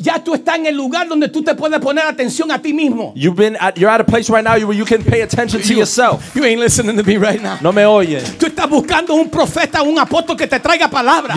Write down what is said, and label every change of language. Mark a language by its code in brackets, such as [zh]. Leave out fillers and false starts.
[es] Ya tú estás en el lugar donde tú te puedes poner atención a ti mismo. [en] You've been at, you're at a place right now where you can pay attention to yourself. You ain't listening to me right now. [es] No me oyes. Tú estás buscando un profeta, un apóstol que te traiga palabras.